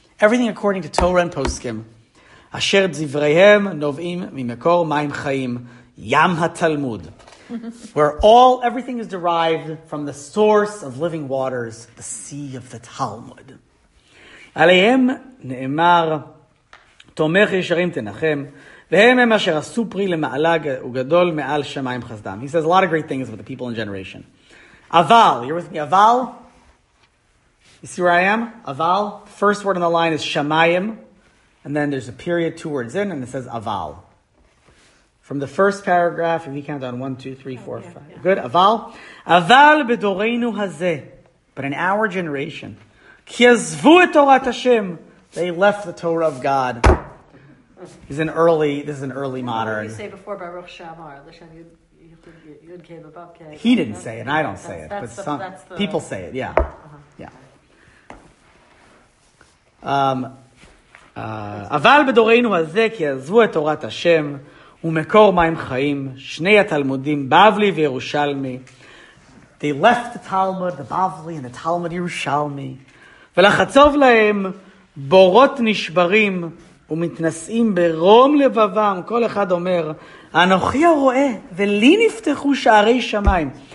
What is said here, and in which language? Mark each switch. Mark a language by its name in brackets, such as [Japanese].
[English] Everything according to Torah and Poskim. [Hebrew] Asher zivrehem novim mimekor ma'im chayim yam haTalmud. [English] Where everything is derived from the source of living waters, the sea of the Talmud. [Hebrew] Aleihem ne'emar תומך ישרים תנחם, והם הם אשר עשו פרי למעלג וגדול מעל שמיים חסדם. [English] He says a lot of great things about the people in generation. Aval, you're with me, Aval? You see where I am? Aval, first word on the line is Shamayim, and then there's a period two words in, and it says Aval. From the first paragraph, if you count down, 1, 2, 3, 4, 5. Yeah. Good, Aval. [Hebrew] Aval bedoreinu hazeh, [English] but in our generation, [Hebrew] ki azvu et Torat Hashem, [English] they left the Torah of God. This is an early modern. What did you say before Baruch Shamar? Yud-kei, he didn't say it, and I don't say it. But some people say it, yeah. Uh-huh. Yeah. [Hebrew] Aval bedoreinu hazeh, ki azvu et Torat Hashem, ומקור מים חיים, שני התלמודים, בבלי וירושלמי. [English] They left the Talmud, the Bavli, and the Talmud Yerushalmi. [Hebrew] ולחצוב להם בורות נשברים, ומתנסים ברום לבבם. כל אחד אומר, אנוכי הרואה, ולי נפתחו שערי שמיים.